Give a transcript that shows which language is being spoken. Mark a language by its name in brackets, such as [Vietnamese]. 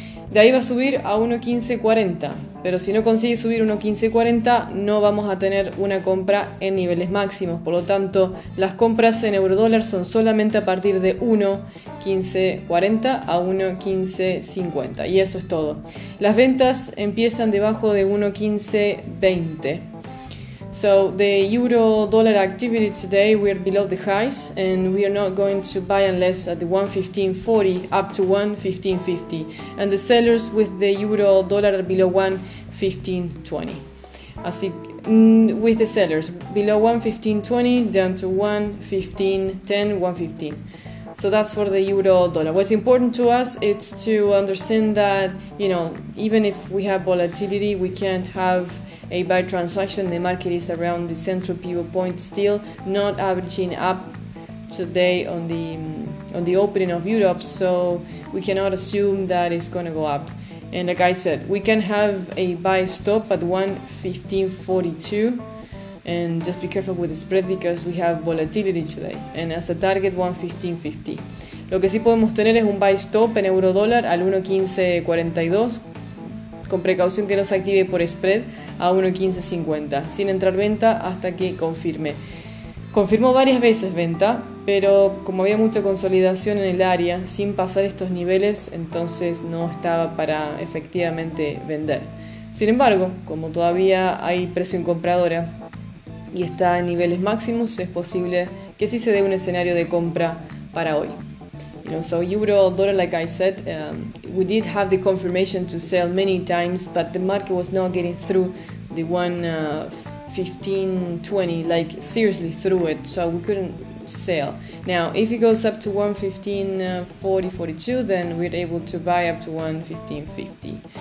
[Spanish] De ahí va a subir a 1.15.40, pero si no consigue subir 1.15.40 no vamos a tener una compra en niveles máximos. Por lo tanto, las compras en eurodólar son solamente a partir de 1.15.40 a 1.15.50 y eso es todo. Las ventas empiezan debajo de 1.15.20. [English] So the euro dollar activity today, we're below the highs and we are not going to buy unless at the 1.1540 up to 1.1550, and the sellers with the euro dollar are below 1.1520. Así, with the sellers below 1.1520 down to 1.1510, 1.15. So that's for the euro dollar. What's important to us is to understand that, you know, even if we have volatility, we can't have a buy transaction. The market is around the central pivot point, still not averaging up today on the opening of Europe, so we cannot assume that it's going to go up. And like I said, we can have a buy stop at 1.1542, and just be careful with the spread because we have volatility today, and as a target 1.1550. [Spanish] Lo que sí podemos tener es un buy stop en euro dólar al 1.1542. Con precaución que no se active por spread a 1.1550, sin entrar venta hasta que confirme. Confirmó varias veces venta, pero como había mucha consolidación en el área, sin pasar estos niveles, entonces no estaba para efectivamente vender. Sin embargo, como todavía hay presión compradora y está en niveles máximos, es posible que sí se dé un escenario de compra para hoy. [English] You know, so euro dollar, like I said, we did have the confirmation to sell many times, but the market was not getting through the 1.1520, like seriously through it, so we couldn't sell. Now, if it goes up to 1.1540.42, then we're able to buy up to 1.1550.